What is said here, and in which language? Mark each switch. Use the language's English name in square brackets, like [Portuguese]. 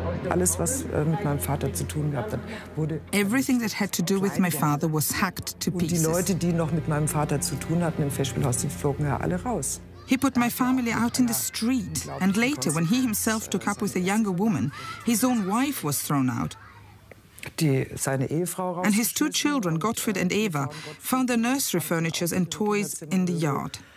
[German] Alles, was mit meinem Vater zu tun gehabt hat, wurde [English] everything that had to do with my father was hacked to pieces. [German] Und die Leute, die noch mit meinem Vater zu tun hatten im Festspielhaus, die flogen ja alle raus. [English] He put my family out in the street. And later, when he himself took up with a younger woman, his own wife was thrown out. And his two children, Gottfried and Eva, found their nursery furniture and toys in the yard.